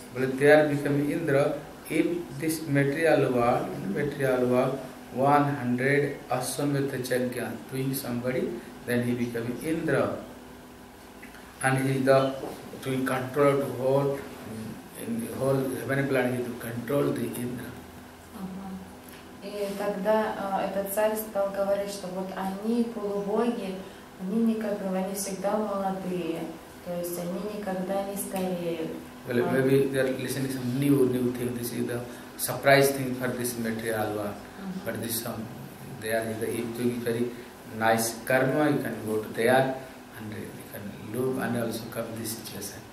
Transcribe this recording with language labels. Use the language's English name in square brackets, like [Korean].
[English] Well, they are becoming Indra, if this material world, in the material world, 100 Aswamedha Chagya, doing somebody, then he becomes Indra. And he is the to control the whole heaven planet, to control the Indra. [Russian] Uh-huh. И тогда этот царь стал говорить, что вот они полубоги, они никогда, они всегда молодые, то есть они никогда не стареют. [English] Well, maybe they are listening to some new thing, this is the surprise thing for this material world. Uh-huh. But this some, they are, if you do very nice karma, you can go to, they are, and we can look and also come this situation.